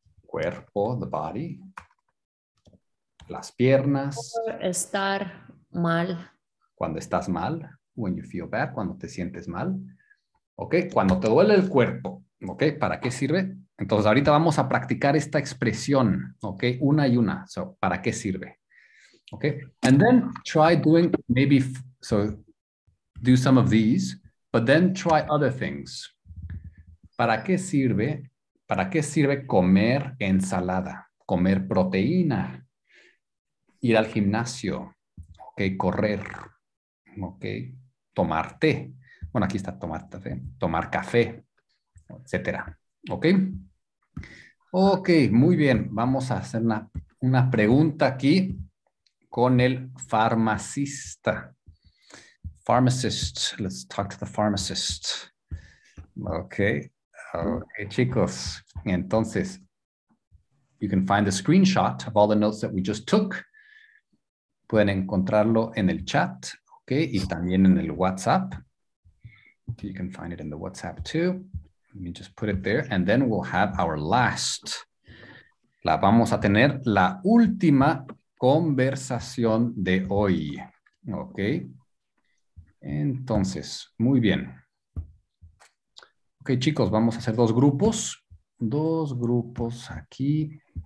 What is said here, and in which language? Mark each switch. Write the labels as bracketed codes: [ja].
[es] Cuerpo, the body. Las piernas. Por estar mal. Cuando estás mal. When you feel bad, cuando te sientes mal. Ok, cuando te duele el cuerpo. ¿Ok? ¿Para qué sirve? Entonces, ahorita vamos a practicar esta expresión, ¿ok? Una y una. So, ¿para qué sirve? ¿Ok? [en] And then try doing maybe, so do some of these, but then try other things. [es] ¿Para qué sirve? ¿Para qué sirve comer ensalada? Comer proteína. Ir al gimnasio. ¿Ok? Correr. ¿Ok? Tomar té. Bueno, aquí está tomar café. Tomar café. Etcétera. ¿Ok? Ok, muy bien. Vamos a hacer una pregunta aquí con el farmacista. [en] Pharmacist. Let's talk to the pharmacist. Ok. [es] Ok, chicos. [en] Entonces, you can find the screenshot of all the notes that we just took. [es] Pueden encontrarlo en el chat. Ok, y también en el WhatsApp. [en] You can find it in the WhatsApp too. Let me just put it there. And then we'll have our last. [es] La vamos a tener la última conversación de hoy. Ok. Entonces, muy bien. Ok, chicos, vamos a hacer dos grupos. Dos grupos aquí.